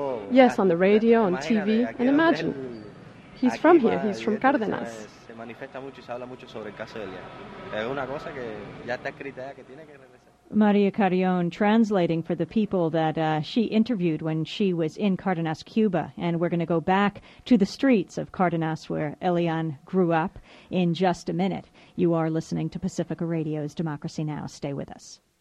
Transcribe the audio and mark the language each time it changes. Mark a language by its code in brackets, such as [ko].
[en] Yes, on the radio, on TV, and imagine. He's from here, he's from Cárdenas. [es] Manifiesta mucho y se habla mucho sobre el caso de Elian. Es una cosa que ya está escrita, que tiene que regresar. [en] Maria Carrion translating for the people that she interviewed when she was in Cardenas, Cuba. And we're going to go back to the streets of Cardenas, where Elian grew up, in just a minute. You are listening to Pacifica Radio's Democracy Now! Stay with us.